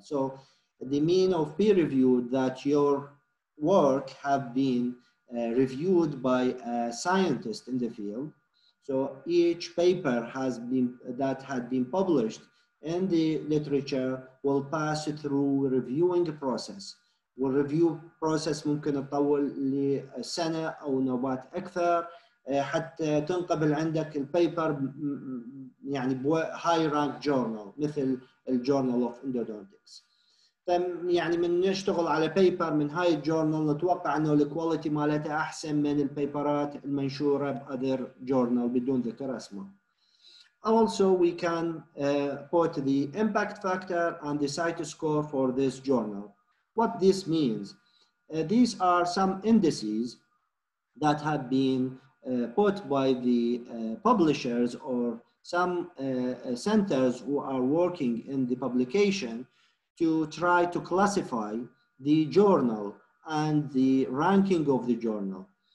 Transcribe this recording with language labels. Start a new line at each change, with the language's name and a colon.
English: So the mean of peer-reviewed, that your work have been reviewed by a scientist in the field. So each paper that had been published in the literature will pass through reviewing process.
Arabic: والريفيو بروسيس ممكن تطول لسنة أو نوبات أكثر حتى تنقبل عندك البيبر, يعني هاي رانك جورنال مثل الجورنال اوف اندودونتكس. يعني من نشتغل على بيبر من هاي الجورنال نتوقع أنه الكواليتي مالتها أحسن من البيبرات المنشورة بأذر جورنال بدون ذكر اسمه.
English: Also, we can put the impact factor and the site score for this journal. What this means, these are some indices that have been put by the publishers or some centers who are working in the publication to try to classify the journal and the ranking of the journal.